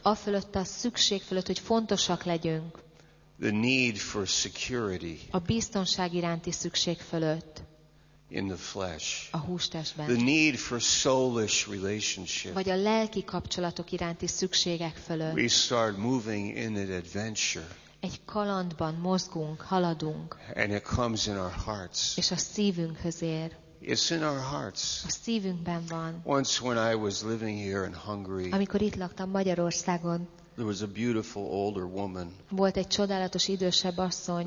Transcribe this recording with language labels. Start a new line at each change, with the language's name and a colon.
Hungarian: A fölött, a szükség fölött, hogy fontosak legyünk.
English: The need for security.
Hungarian: A biztonság iránti szükség fölött.
English: in the flesh.
Hungarian: A hústestben.
English: The need for soulish relationship.
Hungarian: Vagy a lelki kapcsolatok iránti szükségek fölött.
English: We start moving in an adventure.
Hungarian: Egy kalandban mozgunk, haladunk.
English: And it comes in our hearts.
Hungarian: És a szívünkhöz ér.
English: It's in our hearts.
Hungarian: A szívünkben van.
English: Once when I was living here in Hungary.
Hungarian: Amikor itt laktam Magyarországon.
English: There was a beautiful older woman.
Hungarian: Volt egy csodálatos idősebb asszony.